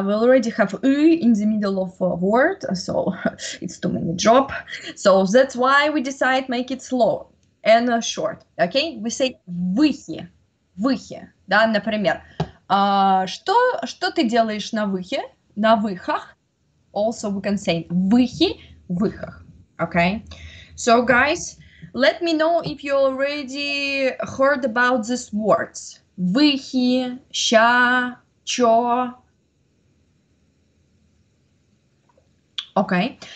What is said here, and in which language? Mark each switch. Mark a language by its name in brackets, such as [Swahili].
[English] We already have ы in the middle of a word, so it's too many drop. So that's why we decide make it slow and short. Okay, we say [Russian] выхи, выхи. Да, например, что ты делаешь на выхе, на выхах? [English] Also we can say [Russian] выхи, выхах. [English] Okay, so guys, let me know if you already heard about these words. [Russian] Выхи, ща, чо. [English] Okay.